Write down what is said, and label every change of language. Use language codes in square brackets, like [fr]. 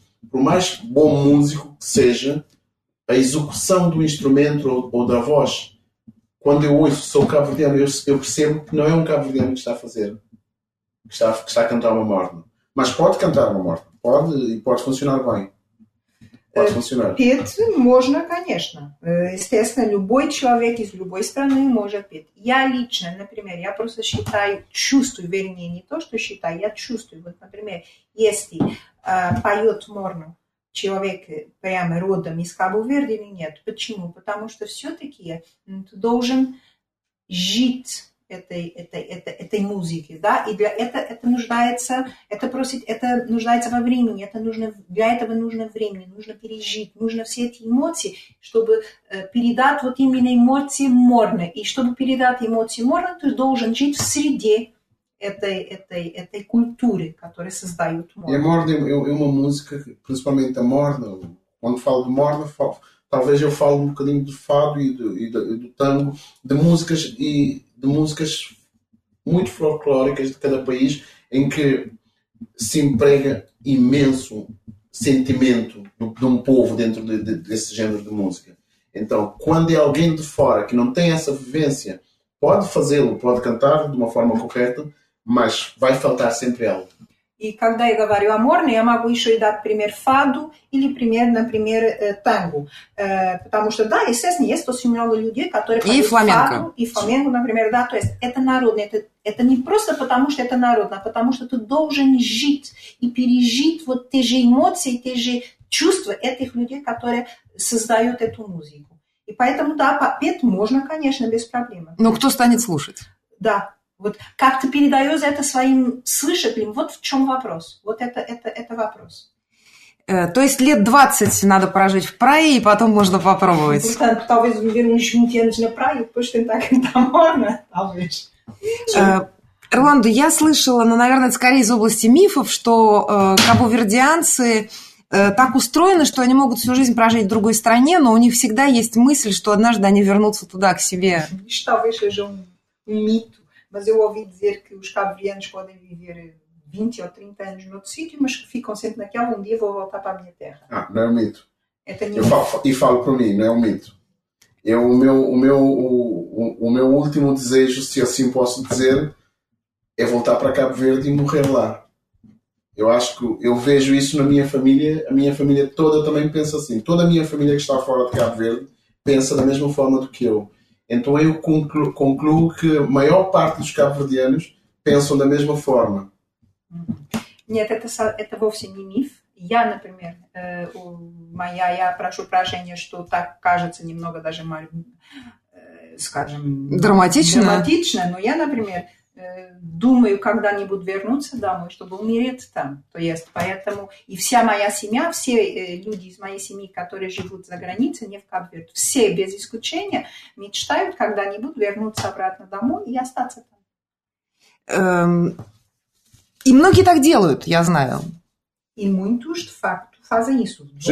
[pt] Por mais bom músico que seja, a execução do instrumento ou da voz, quando eu ouço sou cabo-verdiano, eu percebo que não é um cabo-verdiano que está a fazer. Que está a cantar uma morna. Mas pode cantar uma morna. Pode e pode funcionar bem. Pode funcionar. [ru] Петь можно, конечно. Естественно, любой человек из любой страны может петь. Я лично, например, я просто считаю, чувствую, вернее, не то, что считаю, я чувствую. Вот, например, если поет морну человек прямо родом из Кабу-Верди или нет. Почему? Потому что все-таки ты должен жить этой музыки, да, и для этого нуждается во времени, для этого нужно время, нужно пережить, нужно все эти эмоции, чтобы передать вот именно эмоции морны, и чтобы передать эмоции морны, ты должен жить в среде этой культуры, которую создают морны. И морна, и [pt] uma música, principalmente a morna, quando falo de morna, talvez eu fale um bocadinho do fado e do tango, de músicas muito folclóricas de cada país, em que se emprega imenso sentimento de um povo dentro desse género de música. Então, quando é alguém de fora que não tem essa vivência, pode fazê-lo, pode cantar de uma forma correta, mas vai faltar sempre algo. E quando eu falo amor, eu posso ainda dar primeiro fado ou primeiro tango. Porque, sim, existem muito pessoas que fazem fado e flamenco, por exemplo. [ru] Это народно, это не просто потому, что это народно, а потому, что ты должен жить и пережить вот те же эмоции, те же чувства этих людей, которые создают эту музыку. И поэтому, да, петь можно, конечно, без проблем. Но кто станет слушать? Да. Вот как ты передаешь это своим слушателям? Вот в чем вопрос. Вот это вопрос. То есть лет 20 надо прожить в Прае, и потом можно попробовать. Талвез вернешь мне деньги на Прае, потому что так это можно, талвез. Роланду, я слышала, но, наверное, скорее из области мифов, что кабувердианцы так устроены, что они могут всю жизнь прожить в другой стране, но у них всегда есть мысль, что однажды они вернутся туда, к себе. [pt] Талвез же мит. Mas eu ouvi dizer que os cabo-verdianos podem viver 20 ou 30 anos noutro sítio, mas que ficam sempre naquela, um dia vou voltar para a minha terra. Ah, não é um mito. Eu falo para mim, não é um mito. O meu último desejo, se assim posso dizer, é voltar para Cabo Verde e morrer lá. Eu acho que eu vejo isso na minha família, a minha família toda também pensa assim. Toda a minha família que está fora de Cabo Verde pensa da mesma forma do que eu. Então eu concluo que a maior parte dos cabo-verdianos pensam da mesma forma. [ru] Нет, это вовсе не миф. Я, например, я прошу прощения, что так кажется немного даже, скажем, драматично, но я, например, думаю, когда-нибудь вернуться домой, чтобы умереть там. То есть, поэтому и вся моя семья, все люди из моей семьи, которые живут за границей, не в Кабо-Верде, все без исключения мечтают когда-нибудь вернуться обратно домой и остаться там. И многие так делают, я знаю. [pt] И muitos, de facto, fazem isso.